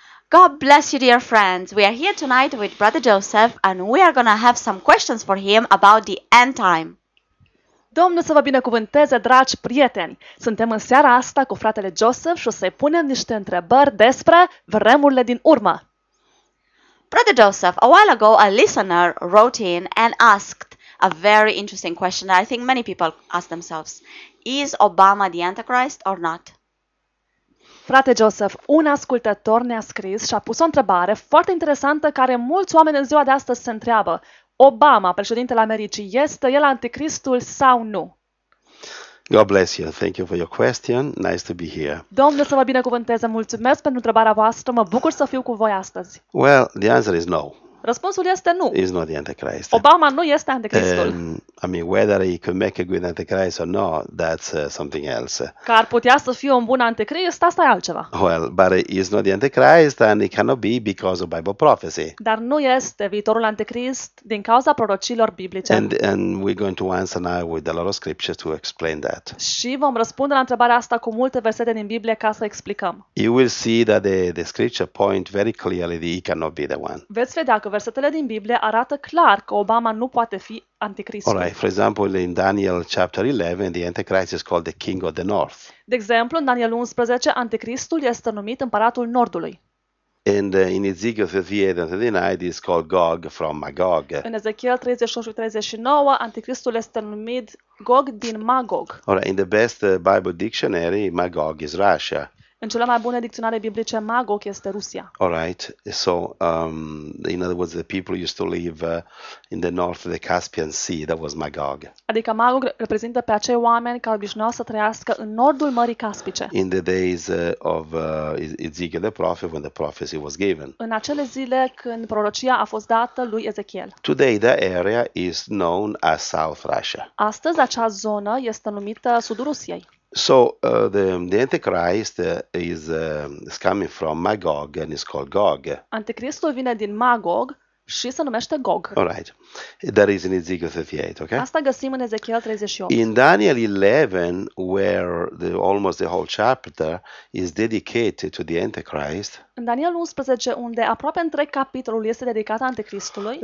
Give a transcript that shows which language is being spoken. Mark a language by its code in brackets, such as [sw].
[en] God bless you, dear friends. We are here tonight with Brother Joseph, and we are going to have some questions for him about the end time. [ro] Domnul să vă binecuvânteze, dragi prieteni! Suntem în seara asta cu fratele Joseph și o să-i punem niște întrebări despre vremurile din urmă. [en] Brother Joseph, a while ago a listener wrote in and asked a very interesting question that I think many people ask themselves. Is Obama the Antichrist or not? [ro] Frate Joseph, un ascultător ne-a scris și a pus o întrebare foarte interesantă care mulți oameni în ziua de astăzi se întreabă. Obama, președintele Americii, este el anticristul sau nu? [en] God bless you. Thank you for your question. Nice to be here. [ro] Domnul să vă binecuvânteze. Mulțumesc pentru întrebarea voastră. Mă bucur să fiu cu voi astăzi. [en] Well, the answer is no. [ro] Răspunsul este nu. [en] He's not the Antichrist. [ro] Obama nu este anticristul. [en] Whether he can make a good Antichrist or not, that's something else. [ro] Că ar putea să fie un bun anticrist, asta e altceva. [en] Well, but he's not the Antichrist and he cannot be because of Bible prophecy. [ro] Dar nu este viitorul anticrist din cauza prorocilor biblice. [en] And we're going to answer now with a lot of scriptures to explain that. [ro] Și vom răspunde la întrebarea asta cu multe versete din Biblie ca să explicăm. [en] You will see that the scripture point very clearly that he cannot be the one. [ro] Veți vedea că versetele din Biblie arată clar că Obama nu poate fi anticristul. [en] All right, for example, in Daniel chapter 11, the Antichrist is called the King of the North. [ro] De exemplu, în Daniel 11, anticristul este numit împăratul Nordului. [en] And in Ezekiel 38 and 39, it is called Gog from Magog. [ro] În Ezechiel 38-39, anticristul este numit Gog din Magog. [en] All right, in the best Bible dictionary, Magog is Russia. [ro] În cele mai bune dicționare biblice, Magog este Rusia. [en] All right. So, in other words, the people used to live in the north of the Caspian Sea, that was Magog. [ro] Adică Magog reprezintă pe acei oameni care obișnuiau să trăiască în nordul Mării Caspice. [en] In the days of Ezekiel the prophet, when the prophecy was given. [ro] În acele zile când prorocia a fost dată lui Ezechiel. [en] Today that area is known as South Russia. [ro] Astăzi acea zonă este numită Sudul Rusiei. [en] So the Antichrist is coming from Magog and is called Gog. [ro] Anticristul vine din Magog și se numește Gog. [en] All right. That is in Ezekiel 38, okay? [ro] Asta găsim în Ezechiel 38. [en] In Daniel 11, where almost the whole chapter is dedicated to the Antichrist. [ro] În Daniel 11, unde aproape întreg capitolul este dedicat anticristului.